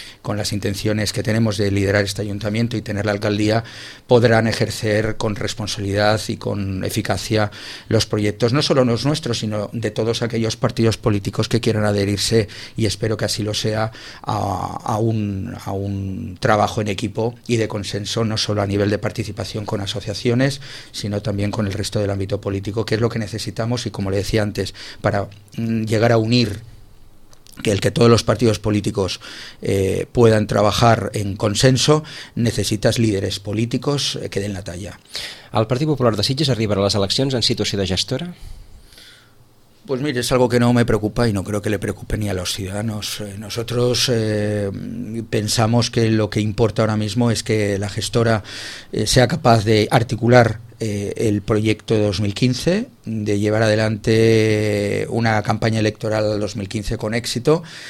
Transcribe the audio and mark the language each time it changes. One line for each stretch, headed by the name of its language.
Spanish: con las intenciones que tenemos de liderar este ayuntamiento y tener la alcaldía, podrán ejercer con responsabilidad y con eficacia los proyectos, no solo los nuestros, sino de todos aquellos partidos políticos que quieran adherirse, y espero que así lo sea, a un trabajo en equipo y de consenso, no solo a nivel de participación con asociaciones, sino también con el resto del ámbito político, que es lo que necesitamos. Y como le decía antes, para llegar a unir, que el que todos los partidos políticos puedan trabajar en consenso, necesitas líderes políticos que den la talla.
Catalan: ¿El Partit Popular de Sitges arribarà a les eleccions en situació de gestora?
Spanish: Pues mire, es algo que no me preocupa y no creo que le preocupe ni a los ciudadanos. Nosotros pensamos que lo que importa ahora mismo es que la gestora sea capaz de articular el proyecto 2015, de llevar adelante una campaña electoral 2015 con éxito.